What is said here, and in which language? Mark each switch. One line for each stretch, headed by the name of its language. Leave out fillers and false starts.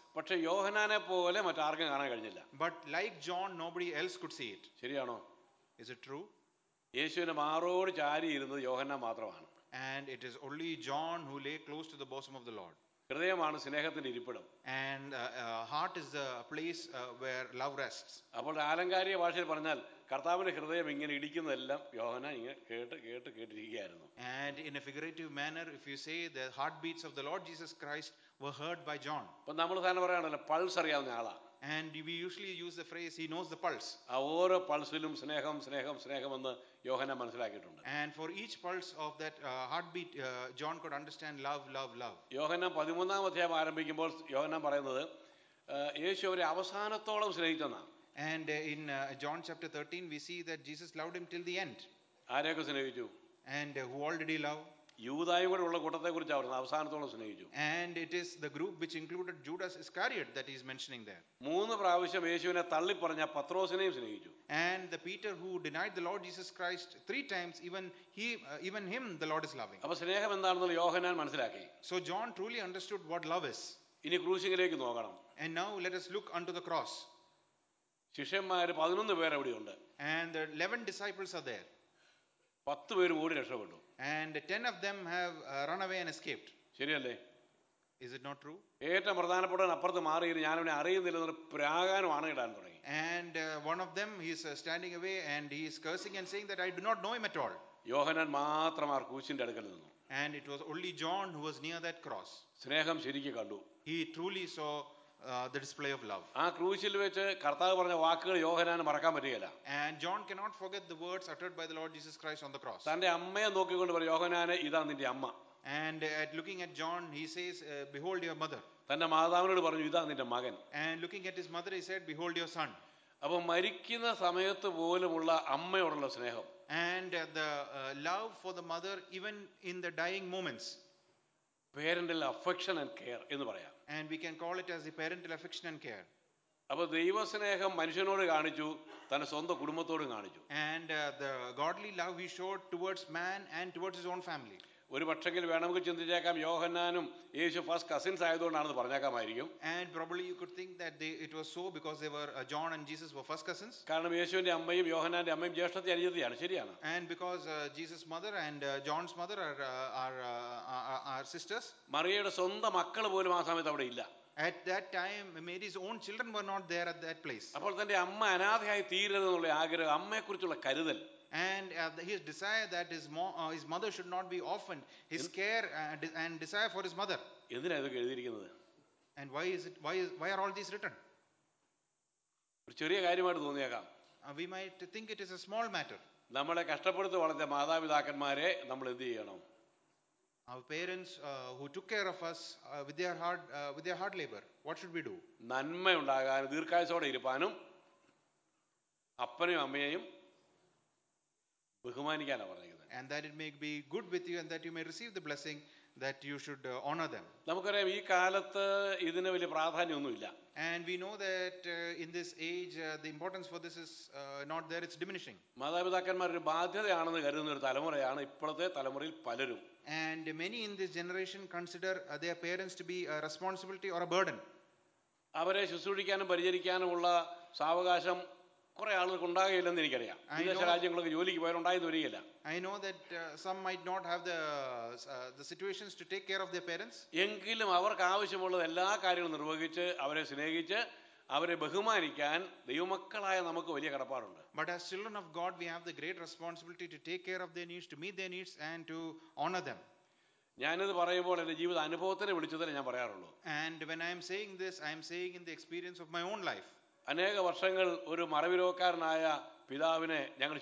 Malayalam: പക്ഷെ യോഹന്നാനെ പോലെ മറ്റാർക്കും കാണാൻ കഴിഞ്ഞില്ല.
English: But like John, nobody else could see it.
Malayalam: ശരിയാണോ?
English: Is it true?
Malayalam: യേശുവിന്റെ മാറോട് ചാരി ഇരുന്നത് യോഹന്നാൻ മാത്രമാണ്.
English: And it is only John who lay close to the bosom of the Lord.
Malayalam: ഹൃദയമാണ് സ്നേഹത്തിന്റെ ഇരിപ്പിടം.
English: And heart is the place where love rests.
Malayalam: അപ്പോൾ ആലങ്കാരിക ഭാഷയിൽ പറഞ്ഞാൽ കർത്താവിന്റെ ഹൃദയം ഇങ്ങനെ ഇടിക്കുന്നതെല്ലാം യോഹന്നാൻ ഇങ്ങനെ കേട്ട് കേട്ട് കേട്ടിരിക്കുകയായിരുന്നു.
English: And in a figurative manner, if you say the heartbeats of the Lord Jesus Christ were heard by John.
Malayalam: അപ്പോൾ നമ്മൾ സാധാരണ പറയാറുണ്ടല്ലോ പൾസ് അറിയാവുന്ന ആളാ.
English: And we usually use the phrase, he knows the pulse.
Malayalam: ഓരോ പൾസിലും സ്നേഹം സ്നേഹം സ്നേഹം എന്ന് യോഹന്നാൻ മനസ്സിലാക്കിയിട്ടുണ്ട്.
English: And for each pulse of that heartbeat, John could understand love, love, love.
Malayalam: യോഹന്നാൻ 13-ാം അധ്യായം ആരംഭിക്കുമ്പോൾ യോഹന്നാൻ പറയുന്നത് യേശു അവരെ അവസാനത്തോളം സ്നേഹിച്ചെന്നാണ്.
English: And in John chapter 13 we see that Jesus loved him till the end.
Malayalam: ആരെയൊക്കെ സ്നേഹിച്ചു?
English: And who already loved?
Malayalam: യൂദായും കൂടെ ഉള്ള കൂട്ടത്തെ കുറിച്ച് അവർ അവസാനത്തോളം സ്നേഹിച്ചു.
English: And it is the group which included Judas Iscariot that he is mentioning there.
Malayalam: മൂന്ന് പ്രാവശ്യം യേശുവിനെ തള്ളി പറഞ്ഞ പത്രോസിനെയും സ്നേഹിച്ചു.
English: And the Peter who denied the Lord Jesus Christ 3 times even him the Lord is loving.
Malayalam: അപ്പോൾ സ്നേഹം എന്താണെന്നുള്ള യോഹന്നാൻ മനസ്സിലാക്കി.
English: So John truly understood what love is.
Malayalam: ഇനി ക്രൂശിലേക്ക് നോക്കണം.
English: And now let us look unto the cross.
Malayalam: ശിഷ്യന്മാർ 11 പേർ അവിടെ ഉണ്ട്.
English: And the 11 disciples are there.
Malayalam: 10 പേർ ഓടി രക്ഷപ്പെട്ടു.
English: And 10 of them have run away and escaped.
Malayalam: ശരിയല്ലേ?
English: Is it not true?
Malayalam: ഏറ്റവും പ്രധാനപ്പെട്ട അപ്പുറത്ത് മാറി ഇരുന്ന് ഞാൻ അവനെ അറിയുന്നില്ലെന്ന് ഒരു പ്രാകാരമാണ് ഇടാൻ തുടങ്ങി.
English: And one of them, he is standing away and he is cursing and saying that I do not know him at all.
Malayalam: യോഹന്നാൻ മാത്രം ആ ക്രൂശിന്റെ അടുക്കൽ നിന്നു.
English: And it was only John who was near that cross.
Malayalam: സ്നേഹം ശരിക്കും കണ്ടു.
English: He truly saw the display of love.
Malayalam: ആ ക്രൂശിൽ വെച്ച് കർത്താവ് പറഞ്ഞ വാക്കുകൾ യോഹന്നാൻ മറക്കാൻ പറ്റുകയില്ല.
English: And John cannot forget the words uttered by the Lord Jesus Christ on the cross.
Malayalam: തന്റെ അമ്മയെ നോക്കിക്കൊണ്ട് പറഞ്ഞു യോഹന്നാനെ ഇതാ നിന്റെ അമ്മ.
English: And at looking at John he says behold your mother.
Malayalam: തന്റെ മാതാവിനോട് പറഞ്ഞു ഇതാ നിന്റെ മകൻ.
English: And looking at his mother he said behold your son.
Malayalam: അപ്പോൾ മരിക്കുന്ന സമയത്ത് പോലുമുള്ള അമ്മയോടുള്ള സ്നേഹം.
English: And the love for the mother even in the dying moments. Parental affection and care
Malayalam: എന്ന് പറയാം.
English: And we can call it as the parental affection and care.
Malayalam: അപ്പോൾ ദൈവസ്നേഹം മനുഷ്യനോട് കാണിച്ചു തന്റെ സ്വന്തം കുടുംബത്തോടും കാണിച്ചു.
English: And the godly love he showed towards man and towards his own family.
Malayalam: ഒരു പക്ഷെങ്കിൽ വേണമെങ്കിൽ ചിന്തിച്ചേക്കാം യോഹന്നാനും യേശു first cousins ആയതുകൊണ്ടാണെന്ന് പറഞ്ഞേക്കാമായിരിക്കും.
English: And probably you could think that it was so because they were John and Jesus were first cousins.
Malayalam: കാരണം യേശുവിന്റെ അമ്മയും യോഹന്നാന്റെ അമ്മയും ജ്യേഷ്ഠത്തി അനുജത്തിയാണ്. ശരിയാണ്.
English: And because Jesus mother and John's mother are sisters.
Malayalam: മറിയയുടെ സ്വന്തം മക്കൾ പോലും ആ സമയത്ത് അവിടെ ഇല്ല.
English: At that time Mary's own children were not there at that place.
Malayalam: അപ്പോൾ തന്റെ അമ്മ അനാഥയായി തീരരുതെന്നുള്ള ആഗ്രഹം അമ്മയെക്കുറിച്ചുള്ള കരുതൽ.
English: And his desire that his mother should not be orphaned, his care and desire for his mother.
Malayalam: എന്തിനാ ഇതൊക്കെ എഴുതിയിരിക്കുന്നത്?
English: And why are all these written?
Malayalam: ഒരു ചെറിയ കാര്യമായിട്ട് തോന്നിയേക്കാം.
English: We might think it is a small matter.
Malayalam: നമ്മളെ കഷ്ടപ്പെടുത്തി വളർത്തിയ മാതാപിതാക്കന്മാരെ നമ്മൾ എന്ത് ചെയ്യണം?
English: Our parents who took care of us with their hard labor, what should we do?
Malayalam: നന്മ ഉണ്ടാകാനും ദീർഘായുസ്സോടെ ഇരിപ്പാനും അപ്പനെയും അമ്മയെയും ബഹുമാനിക്കാനാണ് പറഞ്ഞിരിക്കുന്നത്.
English: And that it may be good with you and that you may receive the blessing that you should honor them.
Malayalam: നമുക്കറിയാം ഈ കാലത്തെ ഇതിനെ വലിയ പ്രാധാന്യമൊന്നുമില്ല.
English: And we know that in this age the importance for this is not there, it's diminishing.
Malayalam: മാതാപിതാക്കന്മാർ ഒരു ബാധ്യതയാണെന്ന് കരുതുന്ന ഒരു തലമുറയാണ് ഇപ്പോഴത്തെ തലമുറയിൽ പലരും.
English: And many in this generation consider their parents to be a responsibility or a burden.
Malayalam: അവരെ ശുശ്രൂഷിക്കാനും പരിചരിക്കാനുമുള്ള സാവകാശം കുറെ ആളുകൾക്ക് ഉണ്ടാകില്ലെന്ന് എനിക്കറിയാം. വിദേശ രാജ്യങ്ങളൊക്കെ ജോലിക്ക് പോയാലുണ്ടായെന്ന് വരികയില്ല.
English: I know that some might not have the situations to take care of their parents.
Malayalam: എങ്കിലും അവർക്ക് ആവശ്യമുള്ള എല്ലാ കാര്യങ്ങളും നിർവഹിച്ച് അവരെ സ്നേഹിച്ച് അവരെ ബഹുമാനിക്കാൻ ദൈവമക്കളായ നമുക്ക് വലിയ കടപ്പാടുണ്ട്.
English: But as children of God we have the great responsibility to take care of their needs, to meet their needs and to honor them.
Malayalam: ഞാനിത് പറയുമ്പോൾ എന്റെ ജീവിത അനുഭവത്തിനെ വിളിച്ചതല്ലേ ഞാൻ പറയാറുള്ളൂ.
English: And when I am saying this I am saying in the experience of my own life.
Malayalam: അനേക വർഷങ്ങൾ ഒരു മറവിരോക്കാരനായ പിതാവിനെ ഞങ്ങൾ